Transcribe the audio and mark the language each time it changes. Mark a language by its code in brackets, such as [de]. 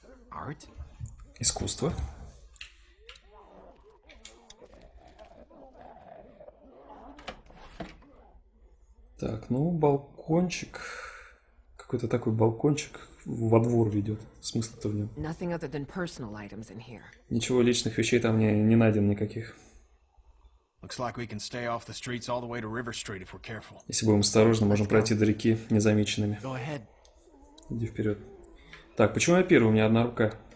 [en] Art? [ru] Искусство? Так, ну, балкончик. Какой-то такой балкончик во двор ведет. Смысл-то в нем. [en] Nothing other than personal items in here. [ru] Ничего личных вещей там не найден никаких. Если будем осторожны, можем пройти до реки незамеченными. Иди вперед. Так, почему я первый? У меня одна рука.